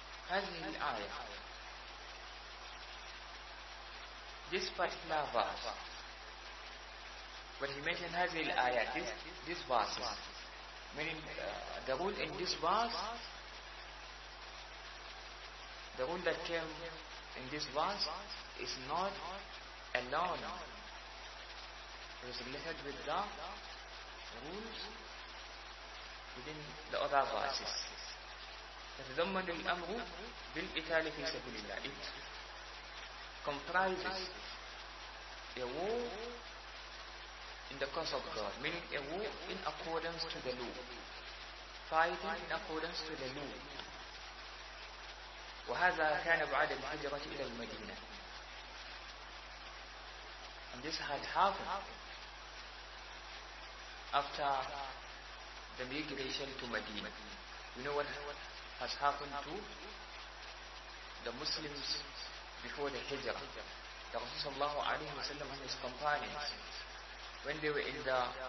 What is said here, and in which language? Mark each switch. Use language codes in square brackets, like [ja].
[ar] هذه الآية, [en] this particular verse, but he mentioned هذه الآية, this verse, meaning the rule in this verse, the rule that came in this verse is not alone. It is related with the rules within the other verses. [ar] تتضمن الأمر بالقتال في سبيل الله. [en] It comprises a war in the cause of God, meaning a war in accordance to the law, fighting in accordance to the law. [ar] وهذا كان بعد الهجرة إلى المدينة. [en] And this had happened after the migration to Medina. You know what has happened to the Muslims before the Hijrah? The Rasul sallallahu alayhi wa sallam and his companions, when they were in the